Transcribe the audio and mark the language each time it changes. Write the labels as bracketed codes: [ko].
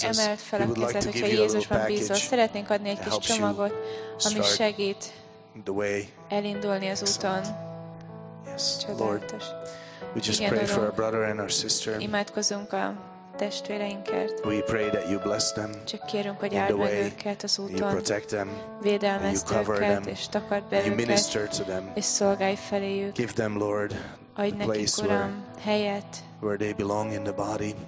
[hu] Kérlek, emeld fel a kezed, hogyha Jézusban bízol. Szeretnénk adni egy kis csomagot, ami segít elindulni az úton. [en] Yes, Lord. We just pray for our brother and our sister. [hu] Imádkozunk a testvéreinkért. [en] We pray that you bless them. [hu] Csak kérünk, hogy áld meg őket az úton. [en] You protect them. [hu] Védelmezd őket, és takard be őket. [en] You minister to them. [hu] És szolgálj feléjük. [en] Give them, Lord, [hu] adj nekik, Uram, helyet. [en] where they belong in the body.